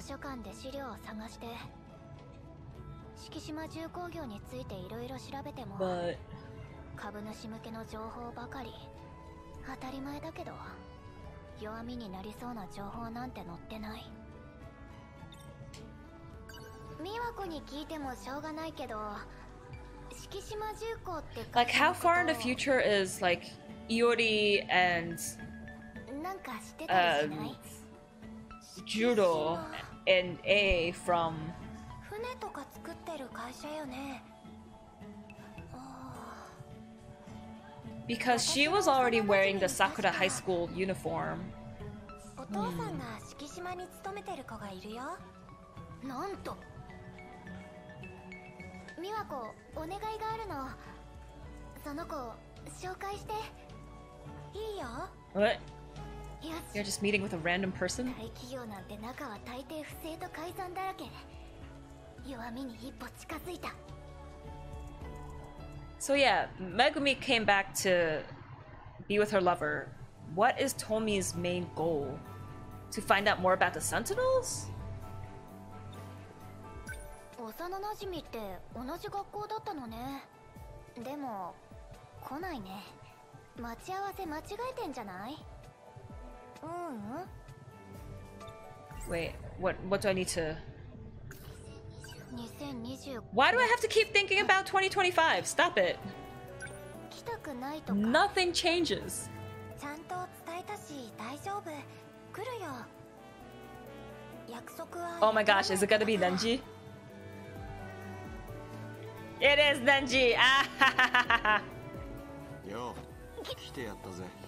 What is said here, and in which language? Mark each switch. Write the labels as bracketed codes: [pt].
[ja] 図書館で資料を探して敷島重工業についていろいろ調べても株主向けの情報ばかり。当たり前だけど弱みになりそうな情報なんて載ってない美和子に聞いてもしょうがないけど敷島重工って [en] Like how far in the future is like Iori and [ja] なんか知ってたりしない [en] Judo and A from [ja] 船とか作ってる会社よね [en] Because she was already wearing the Sakura High School uniform. [ja] お父さんが敷島に勤めてる子がいるよ。なんと。美和子、お願いがあるの。その子、紹介して。いいよ。 [en] What? You're just meeting with a random person? [ja] 大企業なんて中は大抵不正と改ざんだらけ。弱みに一歩近づいた。 [en] So yeah, Megumi came back to be with her lover. What is Tomi's main goal? To find out more about the Sentinels? [ja] Osananajimi って同じ学校だったのね。でも、来ないね。待ち合わせ間違えてんじゃない? [en] Wait, what do I need to... 2020... Why do I have to keep thinking about 2025? Stop it! Nothing changes! [ja] ちゃんと伝えたし、大丈夫。来るよ。約束は… [en] Oh my gosh, is it gonna be Nanji? It is Nanji! [ja] Yo, 来てやったぜ。